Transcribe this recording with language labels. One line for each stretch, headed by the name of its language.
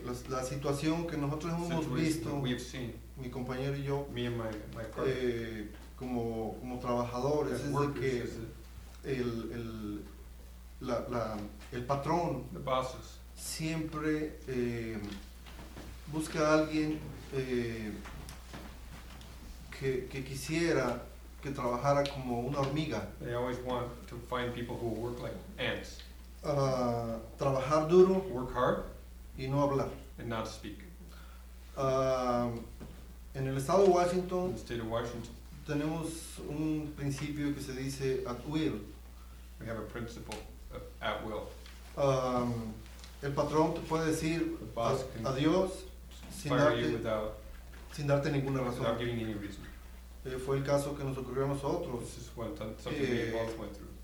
Spanish: La situación que nosotros hemos visto, mi compañero y yo, como trabajadores, es de que el patrón siempre busca a alguien que quisiera que trabajara como una hormiga.
English: They always want to find people who work like ants.
Spanish: Trabajar duro.
English: Work hard.
Spanish: Y no hablar.
English: And not speak.
Spanish: En el estado de Washington,
English: in the state of Washington,
Spanish: tenemos un principio que se dice at will.
English: We have a principle of at will.
Spanish: El patrón te puede decir adiós sin darte ninguna razón.
English: Without giving any reason.
Spanish: Fue el caso que nos ocurrió a nosotros.
English: This is what something we both went through.